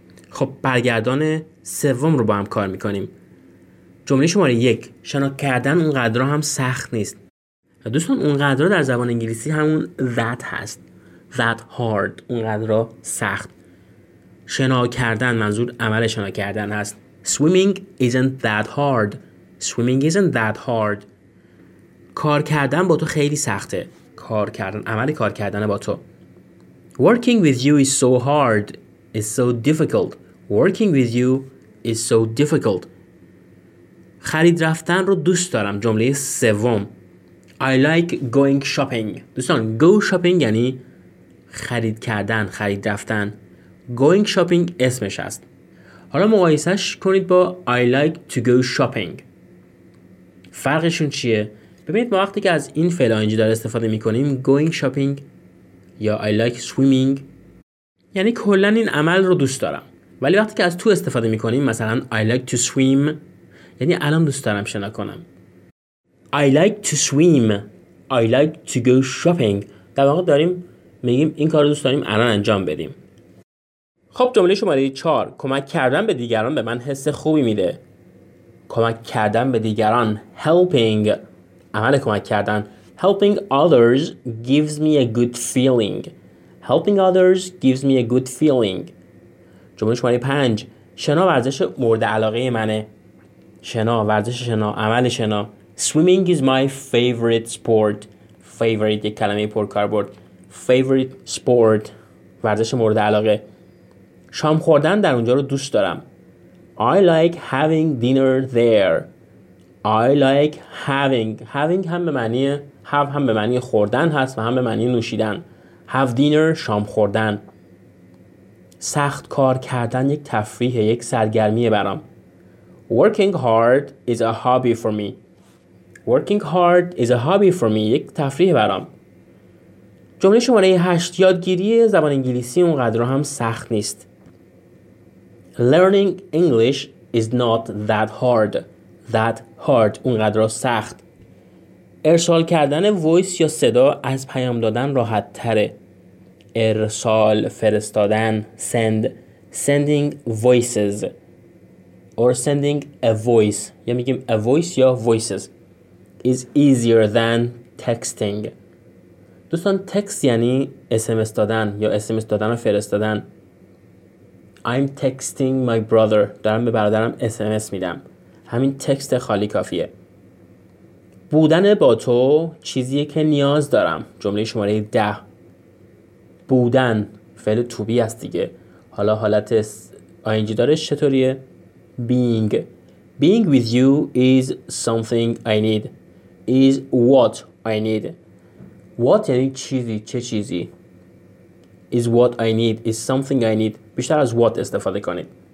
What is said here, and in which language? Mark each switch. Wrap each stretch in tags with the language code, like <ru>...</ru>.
<fa>خب برگردان سوم رو با هم کار میکنیم. جمله شماره 1، شنا کردن اونقدر هم سخت نیست. دوستان اونقدر در زبان انگلیسی همون that هست.</fa> <en>That hard،</en> <fa>اونقدر سخت. شنا کردن منظور عمل شنا کردن هست.</fa> <en>Swimming isn't that hard. Swimming isn't that hard.</en> <fa>کار کردن با تو خیلی سخته. کار کردن، عمل کار کردن با تو.</fa> <en>Working with you is so hard. It's so difficult. Working with you is so difficult.</en> <fa>خرید رفتن رو دوست دارم. جمله سوم.</fa> <en>I like going shopping.</en> <fa>دوستان go shopping یعنی خرید کردن، خرید رفتن. Going shopping اسمش است. حالا مقایسش کنید با</fa> <en>I like to go shopping.</en> <fa>فرقشون چیه؟ ببینید ما وقتی که از این فعل آینجی داره استفاده می کنیم،</fa> <en>going shopping</en> <fa>یا</fa> <en>I like swimming،</en> <fa>یعنی کلن این عمل رو دوست دارم. ولی وقتی که از تو استفاده می کنیم، مثلا</fa> <en>I like to swim،</en> <fa>یعنی الان دوست دارم شنا کنم.</fa> <en>I like to swim، I like to go shopping،</en> <fa>در واقع داریم میگیم این کار رو دوست داریم الان انجام بدیم. خب جمله شماره 4، کمک کردن به دیگران به من حس خوبی میده. کمک کردن به دیگران، helping، عمل کمک کردن.</fa> <en>Helping others gives me a good feeling. Helping others gives me a good feeling.</en> <fa>جمله شماره 5، شنا ورزش مورد علاقه منه. شنا، ورزش شنا، عمل شنا.</fa> <en>Swimming is my favorite sport.</en> <fa>Favorite یک کلمه پرکاربرد.</fa> <en>Favorite sport،</en> <fa>ورزش مورد علاقه. شام خوردن در اونجا رو دوست دارم.</fa> <en>I like having dinner there. I like having.</en> <fa>Having هم به معنی have، هم به معنی خوردن هست و هم به معنی نوشیدن.</fa> <en>Have dinner،</en> <fa>شام خوردن. سخت کار کردن یک تفریح، یک سرگرمیه برام.</fa> <en>Working hard is a hobby for me. Working hard is a hobby for me.</en> <fa>یک تفریح برام. جمله شماره 8، یادگیری زبان انگلیسی اونقدر هم سخت نیست.</fa> <en>Learning English is not that hard. That hard،</en> <fa>اونقدر سخت. ارسال کردن وایس یا صدا از پیام دادن راحت تره. ارسال، فرستادن،</fa> <en>send، sending voices or sending a voice،</en> <fa>یا میگیم</fa> <en>a voice یا voices، is easier than texting.</en> <fa>دوستان تکست یعنی اسمس دادن یا اسمس دادن و فرستادن.</fa> <en>I'm texting my brother،</en> <fa>دارم به برادرم اسمس میدم. همین تکست خالی کافیه. بودن با تو چیزیه که نیاز دارم. جمله شماره 10، بودن فعل توبی است دیگه. حالا حالت ing دارش چطوریه؟ being.</fa> <en>Being with you is something I need. Is what I need. What</en> <fa>یعنی چیزی، چه چیزی.</fa> <en>Is what I need. Is something I need.</en> <fa>بیشتر از what استفاده کنید.</fa>